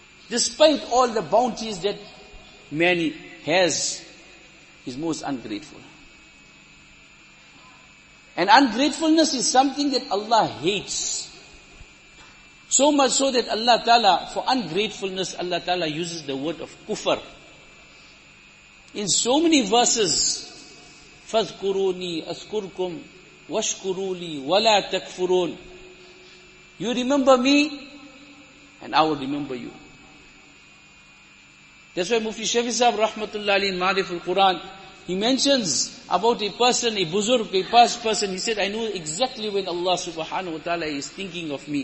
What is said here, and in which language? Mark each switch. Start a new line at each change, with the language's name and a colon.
English: Despite all the bounties that man has, he's most ungrateful. And ungratefulness is something that Allah hates. So much so that Allah Ta'ala, for ungratefulness, Allah Ta'ala uses the word of kufr. In so many verses,
Arabic: فَذْكُرُونِي أَذْكُرْكُمْ وَشْكُرُونِي وَلَا تَكْفُرُونَ.
English: You remember me, and I will remember you. That's why Mufti Shafi Sahib Rahmatullah Ali in Ma'arif al-Quran, he mentions about a person, a buzurg, a past person, he said, I know exactly when Allah subhanahu wa ta'ala is thinking of me.